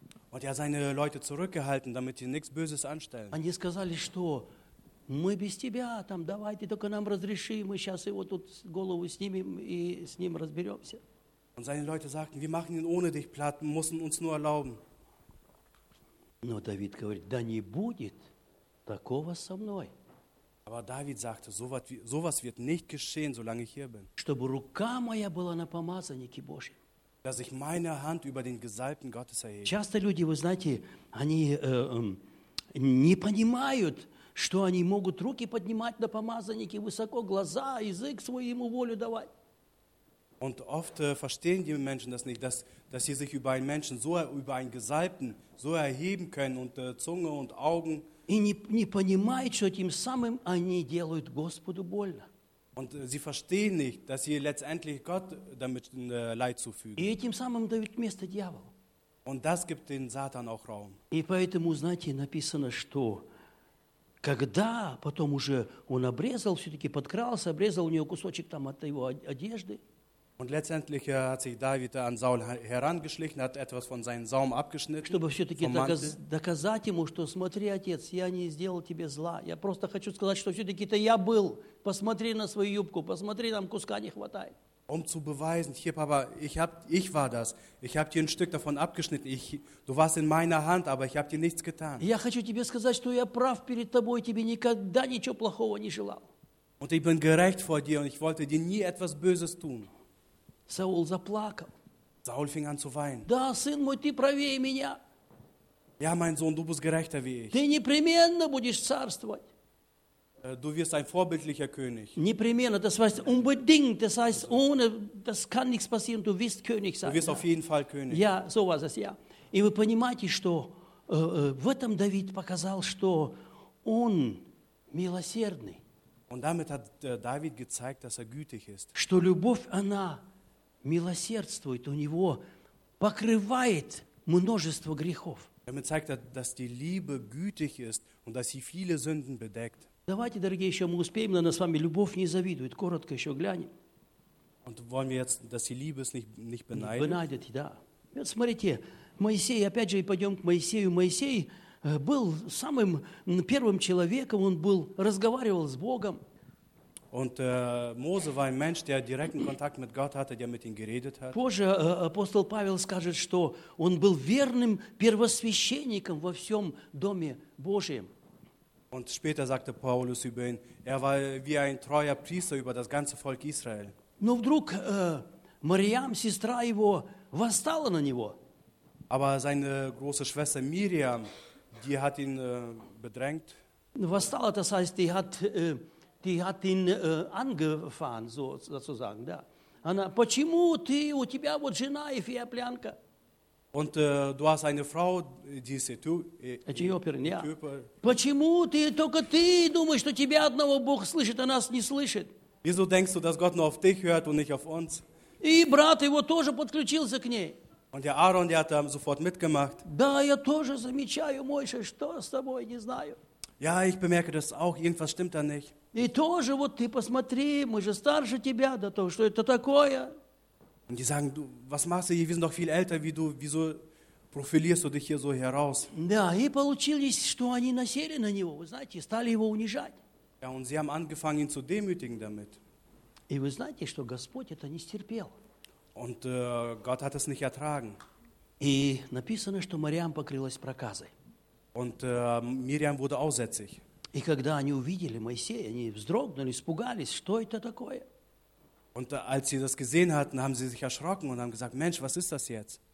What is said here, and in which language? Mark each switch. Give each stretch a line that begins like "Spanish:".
German: Und er hat seine Leute zurückgehalten, damit sie nichts Böses anstellen.
Russian: Они сказали, что мы без тебя, там, давай, ты только нам разреши, мы сейчас его тут голову снимем и с ним разберемся.
German: Und seine Leute sagten, wir machen ihn ohne dich platt, müssen uns nur erlauben.
Russian: Но Давид говорит, да не будет такого со мной.
German: Aber David sagte, sowas wird nicht geschehen, solange ich hier bin.
Russian: Чтобы рука моя была на помазаннике Божьем.
German: Dass ich meine Hand über den Gesalbten Gottes erhebe.
Russian: Часто люди, вы знаете, они не понимают, что они могут руки поднимать на помазаннике высоко, глаза, язык свой ему волю давать.
German: Und oft verstehen die Menschen das nicht, dass sie sich über einen Menschen, so über einen Gesalbten, so erheben können und Zunge und Augen.
Russian: И не понимают, что тем самым они делают Господу больно.
German: Und sie verstehen nicht, dass sie letztendlich Gott damit Leid zufügen.
Russian: И этим самым дают место дьяволу.
German: Und das gibt den Satan auch Raum.
Russian: И поэтому, знаете, написано, что когда потом уже он обрезал, все-таки подкрался, обрезал у него кусочек там от его одежды.
German: Und letztendlich hat sich David an Saul herangeschlichen, hat etwas von seinem Saum abgeschnitten.
Russian: Чтобы все-таки доказать ему, что смотри, отец, я не сделал тебе зла. Я просто хочу сказать, что все-таки это я был. Посмотри на свою юбку, посмотри, там куска не хватает.
German: Um zu beweisen, hier Papa, ich war das. Ich habe dir ein Stück davon abgeschnitten. Du warst in meiner Hand, aber ich habe dir nichts getan.
Russian: Я хочу тебе сказать, что я прав перед тобой, тебе никогда ничего плохого не желал.
German: Und ich bin gerecht vor dir und ich wollte dir nie etwas Böses tun.
Russian: Саул заплакал.
German: Saul fing an zu weinen.
Russian: Да, сын мой, ты правее меня.
German: Ja, mein Sohn, du bist gerechter wie ich.
Russian: Ты непременно будешь царствовать.
German: Du wirst ein vorbildlicher König.
Russian: Непременно,
German: das heißt unbedingt, das heißt ohne, das kann nichts passieren, du wirst König sein. Du wirst auf jeden Fall König. Ja, so war es, ja.
Russian: И вы понимаете, что в этом Давид показал, что он милосердный.
German: Und damit hat David gezeigt, dass gütig ist.
Russian: Что любовь, она милосердствует, у него покрывает множество грехов.
German: Damit zeigt er, dass die Liebe gütig ist und dass sie viele Sünden bedeckt.
Russian: Давайте, дорогие, еще мы успеем, но на с вами любовь не завидует. Коротко еще глянем.
German: Und wollen wir jetzt, dass die Liebe es nicht beneidet?
Russian: Beneidet, да. Вот смотрите, Моисей, опять же, пойдем к Моисею. Моисей был самым первым человеком, он был, разговаривал с Богом.
German: Und Mose war ein Mensch, der direkten Kontakt mit Gott hatte, der mit ihm geredet hat.
Russian: Позже апостол Павел скажет, что он был верным первосвященником во всем доме Божьем.
German: Und später sagte Paulus über ihn, er war wie ein treuer Priester über das ganze Volk Israel.
Russian: Но вдруг Мариам, сестра его, восстала на него.
German: Aber seine große Schwester Miriam, die hat ihn bedrängt.
Russian: Восстала,
German: das heißt, die hat ihn angefahren, so, sozusagen,
Russian: да. Она, почему ты, у тебя вот жена и фея плянка?
German: Und du hast eine Frau, die ist Äthiopierin, ja.
Russian: Почему ты только ты думаешь, что тебя одного Бог слышит, а нас не слышит?
German: Wieso denkst du, dass Gott nur auf dich hört und nicht auf uns?
Russian: И брат его тоже подключился к ней.
German: Und der Aaron, der hat da sofort mitgemacht.
Russian: Да, я тоже замечаю, Мойша, что с тобой, не знаю.
German: Ja, ich bemerke das auch, irgendwas stimmt da nicht.
Russian: И тоже, вот ты посмотри, мы же старше тебя, да то, что это такое?
German: Und die sagen, du, was machst du hier, wir sind doch viel älter wie du, wieso profilierst du dich hier so heraus?
Russian: Да, и получилось, что они насели на него, вы знаете, стали его унижать.
German: Ja, und sie haben angefangen, ihn zu demütigen damit.
Russian: И вы знаете, что Господь это не стерпел.
German: Und Gott hat es nicht ertragen.
Russian: И написано, что Мариам покрылась проказой.
German: Und Miriam wurde aussätzig.
Russian: И когда они увидели Моисея, они вздрогнули, испугались, что это такое?
German: Und als sie das gesehen hatten, haben sie sich erschrocken und haben gesagt, Mensch, was ist das jetzt?